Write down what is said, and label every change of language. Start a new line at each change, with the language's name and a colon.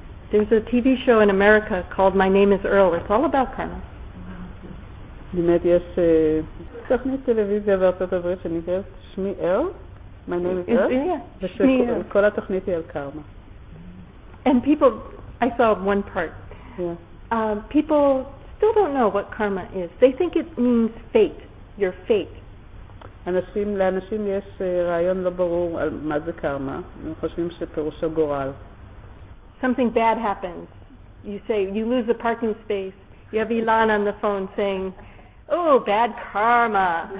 English: There's a TV show in America called My Name is Earl. It's all about karma.
Hebrew: באמת יש תוכנית טלוויזיה בארצות הברית שנקראת שמי אל, My Name is Earl. שמי אל. כל התוכנית היא על קרמה.
English: And people, I saw one part. People still don't know what karma is. They think it means fate, your fate.
Hebrew: אנשים, לאנשים יש רעיון לא ברור על מה זה קרמה. הם חושבים שפירושו גורל.
English: Something bad happens. You say you lose a parking space. You have Ilan on the phone saying, "Oh, bad karma."